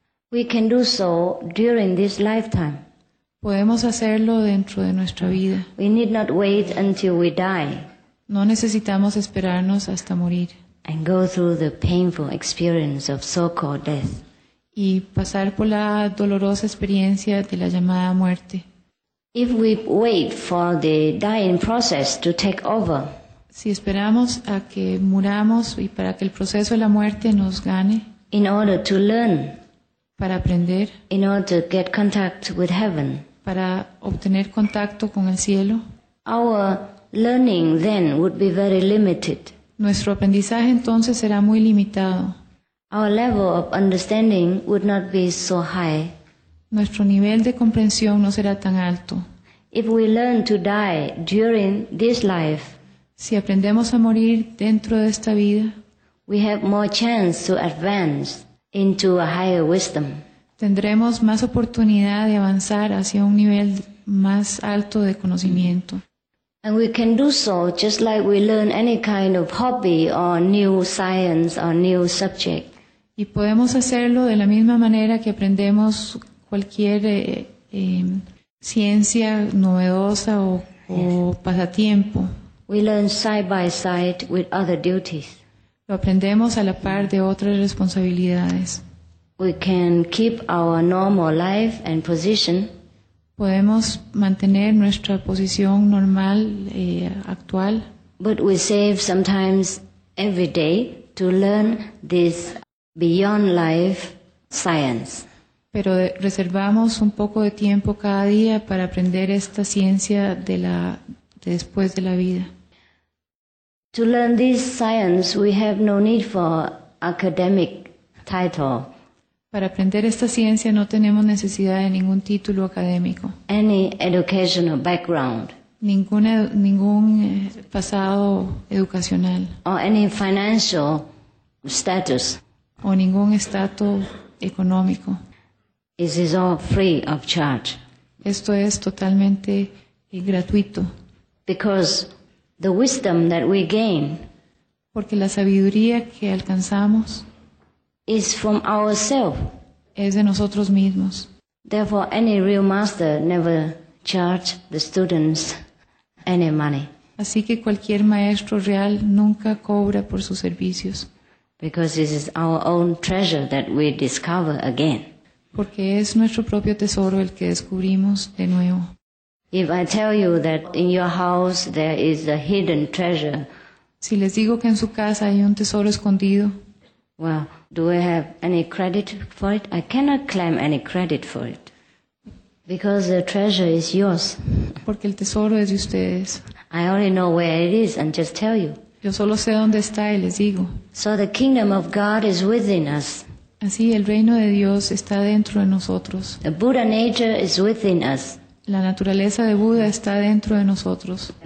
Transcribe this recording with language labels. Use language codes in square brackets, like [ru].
[en] We can do so during this lifetime. [es] Podemos hacerlo dentro de nuestra vida. [en] We need not wait until we die. [es] No necesitamos esperarnos hasta morir. [en] And go through the painful experience of so-called death. [es] Y pasar por la dolorosa experiencia de la llamada muerte. [en] If we wait for the dying process to take over, [es] si esperamos a que muramos y para que el proceso de la muerte nos gane, [en] in order to learn, [es] para aprender, [en] in order to get contact with heaven, [es] para obtener contacto con el cielo, [en] our learning then would be very limited. [es] Nuestro aprendizaje entonces será muy limitado. [en] Our level of understanding would not be so high. [es] Nuestro nivel de comprensión no será tan alto. [en] If we learn to die during this life, [es] si aprendemos a morir dentro de esta vida, [en] we have more chance to advance into a higher wisdom. [es] Tendremos más oportunidad de avanzar hacia un nivel más alto de conocimiento. [en] And we can do so just like we learn any kind of hobby or new science or new subject. [es] Y podemos hacerlo de la misma manera que aprendemos cualquier ciencia novedosa o pasatiempo. [en] We learn side by side with other duties. [es] Lo aprendemos a la par de otras responsabilidades. [en] We can keep our normal life and position. [es] Podemos mantener nuestra posición normal actual. [en] But we save sometimes every day to learn this beyond life science. [es] Pero reservamos un poco de tiempo cada día para aprender esta ciencia de después de la vida. [en] To learn this science, we have no need for academic title. [es] Para aprender esta ciencia no tenemos necesidad de ningún título académico. [en] Any educational background. [es] Ningún pasado educacional. [en] Or any financial status. [es] O ningún estatus económico. [en] This is all free of charge. [es] Esto es totalmente gratuito. [en] Because the wisdom that we gain. [es] Porque la sabiduría que alcanzamos. [en] Is from ourselves. [es] Es de nosotros mismos. [en] Therefore, any real master never charge the students any money. [es] Así que cualquier maestro real nunca cobra por sus servicios. [en] Because this is our own treasure that we discover again. [es] Porque es nuestro propio tesoro el que descubrimos de nuevo. [en] If I tell you that in your house there is a hidden treasure. [es] Si les digo que en su casa hay un tesoro escondido. [en] Well, do I have any credit for it? I cannot claim any credit for it. Because the treasure is yours. [es] Porque el tesoro es de ustedes. [en] I only know where it is and just tell you. [es] Yo solo sé dónde está y les digo. [en] So the kingdom of God is within us. [es] Así el reino de Dios está dentro de nosotros. [en] The Buddha nature is within us. [es] La naturaleza de Buda está dentro de nosotros.